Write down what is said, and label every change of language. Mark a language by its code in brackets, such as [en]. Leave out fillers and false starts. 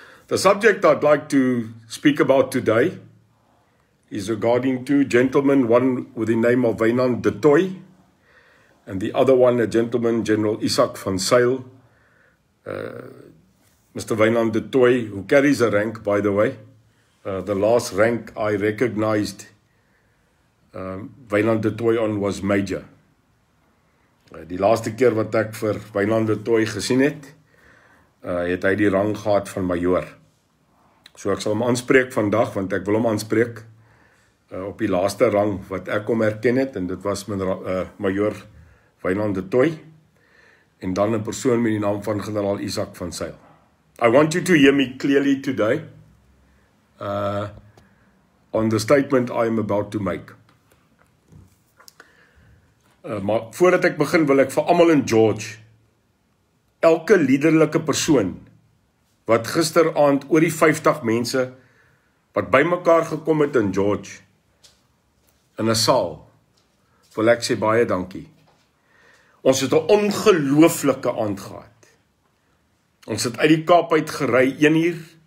[en] The subject I'd like to speak about today is regarding two gentlemen, one with the name of Wynand de Tooy and the other one a gentleman, General Isaac van Sail. Mr. Wynand de Tooy, who carries a rank, by the way, the last rank I recognized Wynand de Tooy on was Major. [af] Die laaste keer wat ek vir Wynand de Tooy gesien het, het hy die rang gehad van majoor. So ek sal hom aanspreek vandag, want ek wil hom aanspreek op die laaste rang wat ek hom herken het, en dit was majoor Wynand de Tooy, en dan 'n persoon met die naam van generaal Isaac van Sail. [en] I want you to hear me clearly today on the statement I am about to make. [af] Maar voordat ek begin wil ek vir almal in George, elke liderlike persoon wat gisteraand oor die 50 mense wat bymekaar gekom het in George in 'n saal, wil ek sê baie dankie. Ons het 'n ongelooflike aand gehad. Ons het uit die Kaap uit gery 1 uur.